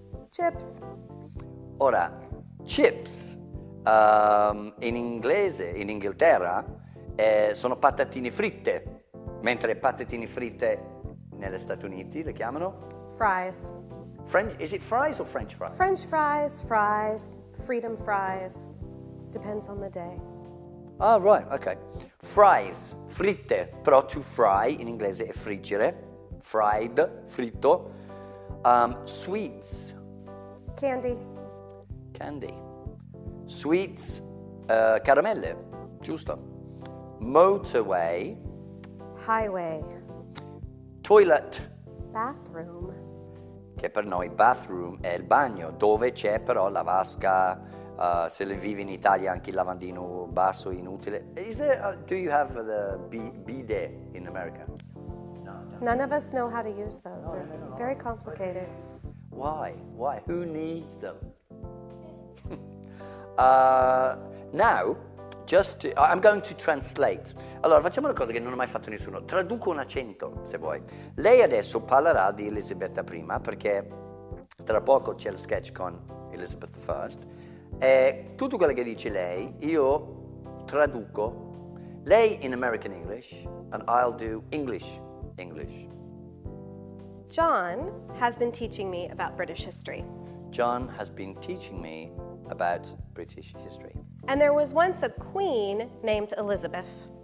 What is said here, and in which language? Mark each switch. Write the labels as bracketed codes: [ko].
[en] Chips. [it] Ora, chips in inglese, in Inghilterra, sono patatine fritte, mentre patatine fritte negli Stati Uniti le chiamano? [en] Fries. Is it fries or French fries? French fries, fries, freedom fries, depends on the day. Ah, right, okay. [it] Fries, fritte, però to fry in inglese è friggere, fried, fritto. [en] Sweets. Candy. [it] Candy, sweets, caramelle, giusto. [en] Motorway. Highway. Toilet. Bathroom. [it] Che per noi bathroom è il bagno, dove c'è però la vasca, se le vivi in Italia anche il lavandino basso inutile. [en] Do you have the bidet in America? No. None of us know how to use those. No, they're very complicated. Why? Who needs them? Now, I'm going to translate. [it] Allora, facciamo una cosa che non ho mai fatto nessuno. Traduco un accento, se vuoi. Lei adesso parlerà di Elisabetta I, perché tra poco c'è il sketch con Elizabeth I. Tutto quello che dice lei, io traduco. Lei in [en] American English, and I'll do English English. John has been teaching me about British history. John has been teaching me about British history. And there was once a queen named Elizabeth.